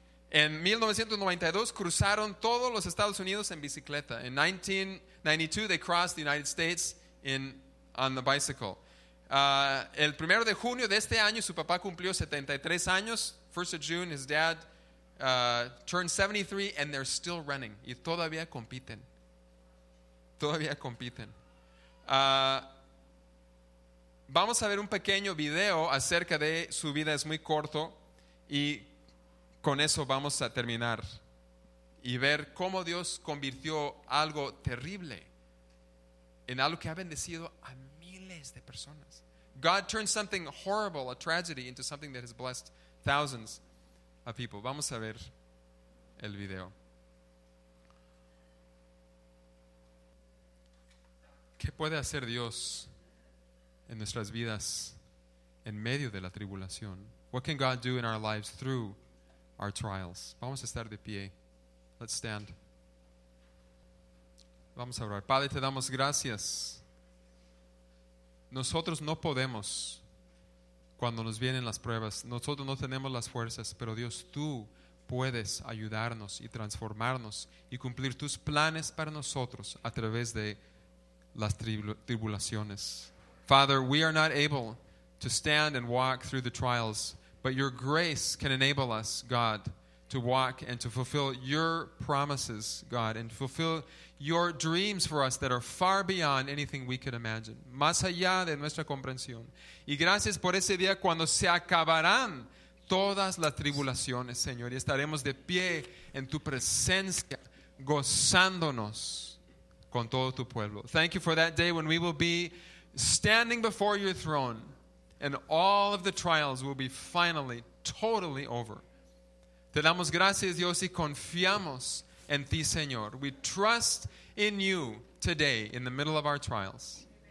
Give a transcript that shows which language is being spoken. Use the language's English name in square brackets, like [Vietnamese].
[Spanish] En 1992 cruzaron todos los Estados Unidos en bicicleta. [English] En 1992 they crossed the United States on the bicycle. [Spanish] El primero de junio de este año su papá cumplió 73 años. [English] First of June his dad turned 73, and they're still running. [Spanish] Y todavía compiten. Todavía compiten. Vamos a ver un pequeño video acerca de su vida. Es muy corto y con eso vamos a terminar y ver cómo Dios convirtió algo terrible en algo que ha bendecido a miles de personas. [English] God turned something horrible, a tragedy, into something that has blessed thousands of people. [Spanish] Vamos a ver el video. ¿Qué puede hacer Dios en nuestras vidas en medio de la tribulación? [English] What can God do in our lives through our trials? [Spanish] Vamos a estar de pie. [English] Let's stand. [Spanish] Vamos a orar. Padre, te damos gracias. Nosotros no podemos cuando nos vienen las pruebas. Nosotros no tenemos las fuerzas, pero Dios, tú puedes ayudarnos y transformarnos y cumplir tus planes para nosotros a través de las tribulaciones. [English] Father, we are not able to stand and walk through the trials, but your grace can enable us, God, to walk and to fulfill your promises, God, and fulfill your dreams for us that are far beyond anything we could imagine. [Spanish] Más allá de nuestra comprensión. Y gracias por ese día cuando se acabarán todas las tribulaciones, Señor, y estaremos de pie en tu presencia, gozándonos con todo tu pueblo. [English] Thank you for that day when we will be standing before your throne and all of the trials will be finally, totally over. [Spanish] Te damos gracias, Dios, y confiamos en ti, Señor. [English] We trust in you today in the middle of our trials.